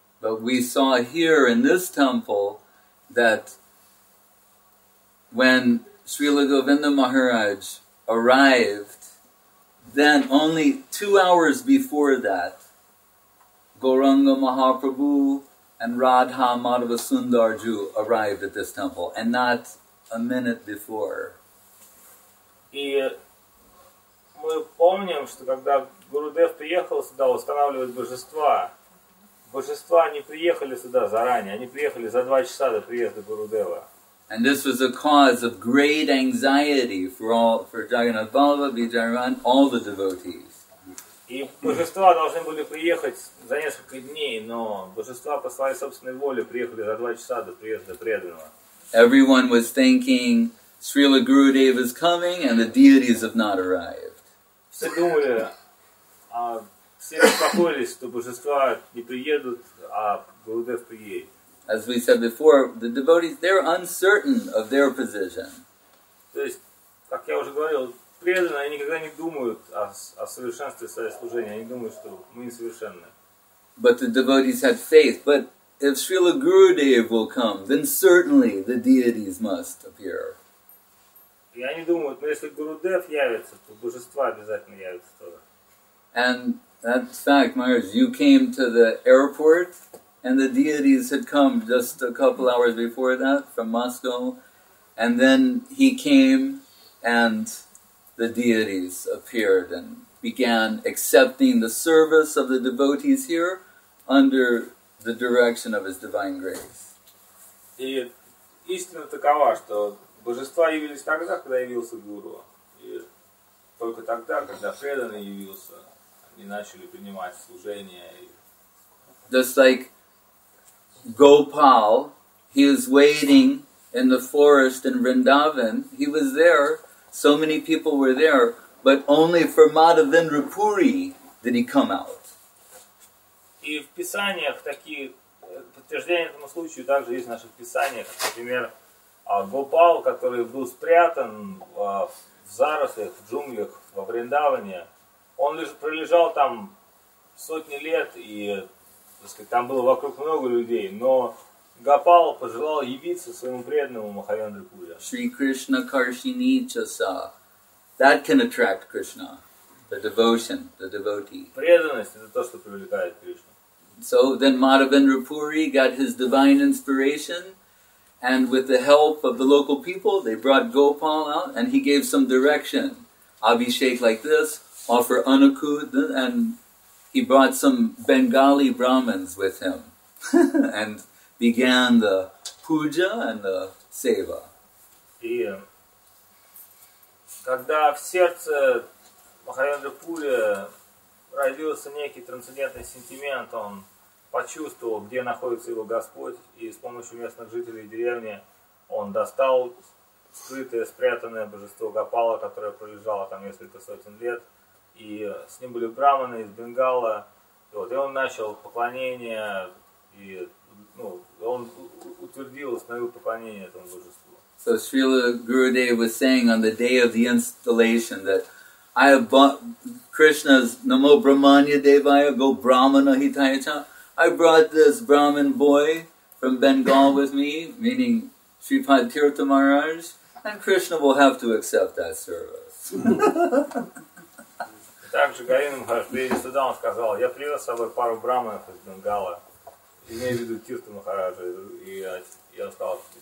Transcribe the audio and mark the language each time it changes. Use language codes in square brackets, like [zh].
[en] But we saw here in this temple that when Srila Govinda Maharaj arrived, then only 2 hours before that, Gauranga Mahaprabhu and Radha Madhava Sundarju arrived at this temple, and not a minute before. [ru] И мы помним, что когда Гурудев приехал сюда устанавливать божества, божества не приехали сюда заранее, они приехали за 2 часа до приезда Гурудева. [en] And this was a cause of great anxiety for Jagannath Balabha, Vijayaran, all the devotees. [ru] И божества должны были приехать за несколько дней, но божества по своей собственной воле приехали за 2 часа до приезда преданного. [en] Everyone was thinking Srila Gurudev is coming and the deities have not arrived. [ru] Все думали, а все беспокоились, что божества не приедут, а Гурудев приедет. [en] As we said before, the devotees, they're uncertain of their position. [ru] То есть, как я уже говорил, преданные, они никогда не думают о совершенстве своего служения, они думают, что мы несовершенны. [en] But the devotees had faith, but if Srila Gurudev will come, then certainly the deities must appear. [ru] И они думают, но если Гурудев явится, то божества обязательно явятся тоже. [en] And that fact, Maharaj, you came to the airport and the deities had come just a couple hours before that from Moscow, and then he came and the deities appeared and began accepting the service of the devotees here under the direction of His Divine Grace. [ru] И истина такова, что божества явились тогда, когда явился Гуру. И только тогда, когда преданный явился, они начали принимать служение. [en] Just like Gopal, he is waiting in the forest in Vrindavan, he was there. So many people were there, but only for Madhavendra Puri did he come out. [ru] И в писаниях такие подтверждения этому случаю также есть в наших писаниях. Например, Гопал, который был спрятан в зарослях, в джунглях, во Вриндаване, он лишь пролежал там сотни лет, и так сказать, там было вокруг много людей, но Гопал пожелал явиться своему преданному Махавендра Пуре. [sa] Шри Кришна Каршини Часа. [en] That can attract Krishna. The devotion, the devotee. [ru] Преданность – это то, что привлекает Кришну. [en] So then Madhavendra Puri got his divine inspiration, and with the help of the local people, they brought Gopal out, and he gave some direction Abhishek like this, offer Anukut, and he brought some Bengali Brahmins with him and began the puja and the seva. [ru] Когда в сердце Махарендра Пури родился некий трансцендентный сентимент, он почувствовал, где находится его Господь, и с помощью местных жителей деревни он достал скрытое, спрятанное божество Гопала, которое пролежало там несколько сотен лет, и с ним были браманы из Бенгала, и, вот, и он начал поклонение, и ну, он утвердил, установил поклонение этому божеству. [en] So Srila Gurudeva was saying on the day of the installation that I have bought Krishna's [sa] Namo Brahmanya Devaya Go Brahmana Hitayacha. [en] I brought this Brahmin boy from Bengal with me, meaning Sripad Tirtha Maharaj, and Krishna will have to accept that service. [ru] Также Гарина Махарадж приезжал сюда, он сказал, я привез с собой пару Брахманов из Бенгала, имею в виду Тирту Махараджа, и я сказал,